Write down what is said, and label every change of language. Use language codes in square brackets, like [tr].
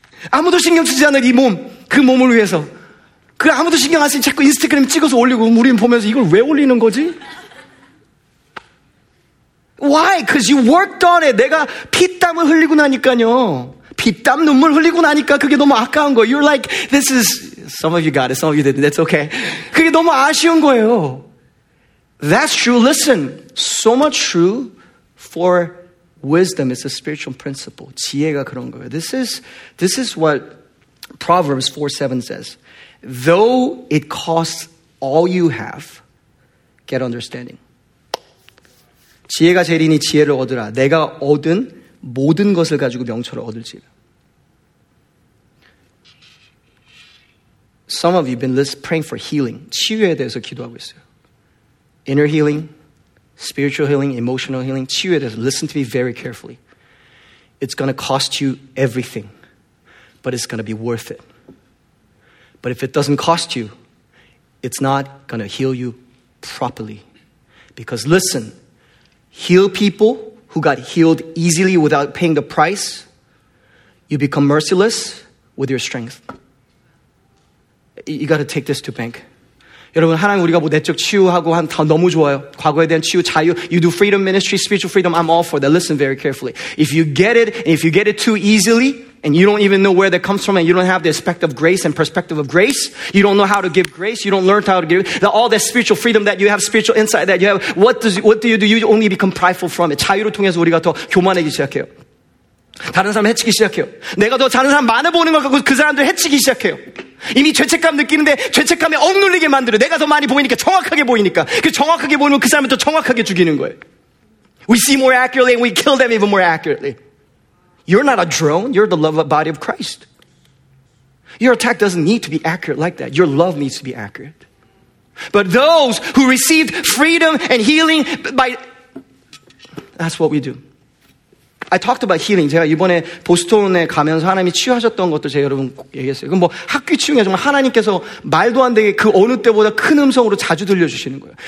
[ko] 아무도 신경 쓰지 않을 이 몸, 그 몸을 위해서. 그 아무도 신경 안 쓰니 자꾸 인스타그램 찍어서 올리고 우리는 보면서 이걸 왜 올리는 거지? [en] Why? Because you worked on it. [ko] 내가 피땀을 흘리고 나니까요. 피땀 눈물 흘리고 나니까 그게 너무 아까운 거예요. [en] You're like, this is, some of you got it, some of you didn't, that's okay. [ko] 그게 너무 아쉬운 거예요. [en] That's true, listen, so much true for wisdom. It's a spiritual principle. [ko] 지혜가 그런 거예요. [en] This is what Proverbs 4:7 says. Though it costs all you have, get understanding. [ko] 지혜가 제일이니 지혜를 얻으라. 내가 얻은 모든 것을 가지고 명철을 얻을지. [en] Some of you have been praying for healing. [ko] 치유에 대해서 기도하고 있어요. [en] Inner healing, spiritual healing, emotional healing. [ko] 치유에 대해서. [en] Listen to me very carefully. It's going to cost you everything, but it's going to be worth it. But if it doesn't cost you, it's not going to heal you properly. Because listen, heal people who got healed easily without paying the price, you become merciless with your strength. You got to take this to bank. [ko] 여러분, 하나님 우리가 뭐 내적 치유하고 한 다 너무 좋아요. 과거에 대한 치유, 자유. [en] You do freedom ministry, spiritual freedom. I'm all for that. Listen very carefully. If you get it too easily, and you don't even know where that comes from, and you don't have the aspect of grace and perspective of grace, you don't know how to give grace, you don't learn how to give all that spiritual freedom that you have, spiritual insight that you have, what do you do? You only become prideful from it. [ko] 자유를 통해서 우리가 더 교만해지기 시작해요. 다른 사람 해치기 시작해요. 내가 더 다른 사람 많아 보는 것 같고 그 사람들 해치기 시작해요. 이미 죄책감 느끼는데 죄책감에 억눌리게 만들어. 내가 더 많이 보이니까 정확하게 보이니까. 그 정확하게 보이면 그 사람을 더 정확하게 죽이는 거예요. [en] We see more accurately and we kill them even more accurately. You're not a drone. You're the love body of Christ. Your attack doesn't need to be accurate like that. Your love needs to be accurate. But those who received freedom and healing by... That's what we do. I talked about healing. [ko] 제가 이번에 보스턴에 가면서 하나님이 치유하셨던 것도 제가 여러분 얘기했어요. 그럼 뭐 학교 치유가 정말 하나님께서 말도 안 되게 그 어느 때보다 큰 음성으로 자주 들려주시는 거예요.